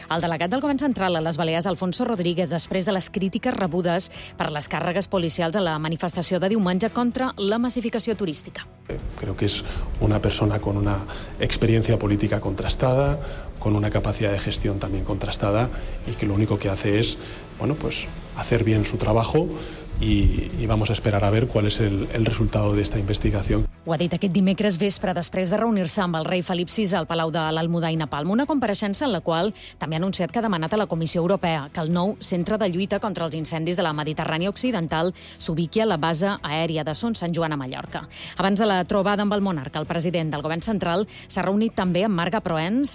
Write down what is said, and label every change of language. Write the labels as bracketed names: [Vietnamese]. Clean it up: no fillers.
[Catalan] El delegat del govern central a les Balears, Alfonso Rodríguez, després de les crítiques rebudes per les càrregues policials a la manifestació de diumenge contra la massificació turística. [Spanish] Creo que es una persona con una experiencia política contrastada, con una capacidad de gestión también contrastada, y que lo único que hace es, bueno, pues hacer bien su trabajo y vamos a esperar a ver cuál es el resultado de esta investigación. [Catalan] Ho ha dit aquest dimecres vespre després de reunir-se amb el rei Felip VI al Palau de l'Almudaina Palma, una compareixença en la qual també ha anunciat que ha demanat a la Comissió Europea que el nou centre de lluita contra els incendis de la Mediterrània Occidental s'ubiqui a la base aèria de Son Sant Joan a Mallorca. Abans de la trobada amb el monarca, el president del govern central s'ha reunit també amb Marga Proens.